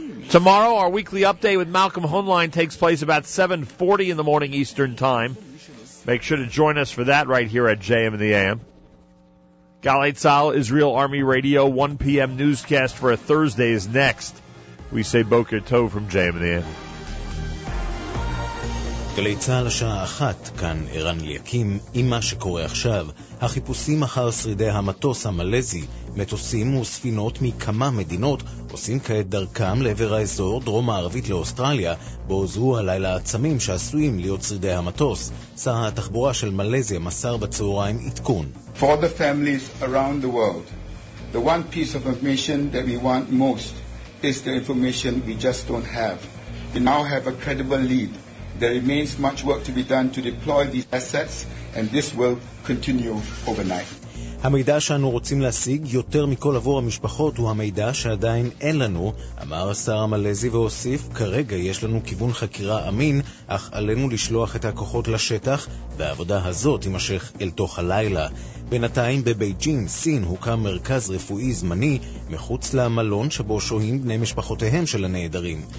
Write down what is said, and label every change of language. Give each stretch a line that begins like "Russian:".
English: Tomorrow, our weekly update with Malcolm Honline takes place about 7:40 in the morning Eastern Time. Make sure to join us for that right here at JM in the AM. Galei Tzahal, Israel Army Radio, 1 p.m. newscast for a Thursday is next. We say
Hebrew: Boker Tov
English: from JM in the AM.
Hebrew: גלי צהל השעה אחת, כאן אירן ליקים, עם מה שקורה עכשיו. החיפושים אחר שרידי המטוס המלזי, מטוסים וספינות מכמה מדינות, עושים כעת דרכם לעבר האזור דרום הערבית לאוסטרליה, בו זו הלילה העצמים שעשויים להיות שרידי המטוס. שר התחבורה של מלזיה מסר בצהריים עדכון.
English: For the families around the world, the one piece of information that we want most is the information we just don't have. We now have a credible lead. There remains much work to be done to deploy these assets, and this will continue overnight.
Hebrew: המידע שאנו רוצים להשיג יותר מכל עבור המשפחות הוא המידע שעדיין אין לנו, אמר השר המלזי והוסיף, כרגע יש לנו כיוון חקירה אמין, אך עלינו לשלוח את הכוחות לשטח, והעבודה הזאת יימשך אל תוך הלילה. בינתיים בבייג'ין, סין, הוקם מרכז רפואי זמני מחוץ למלון שבו שוהים בני משפחותיהם של הנעדרים.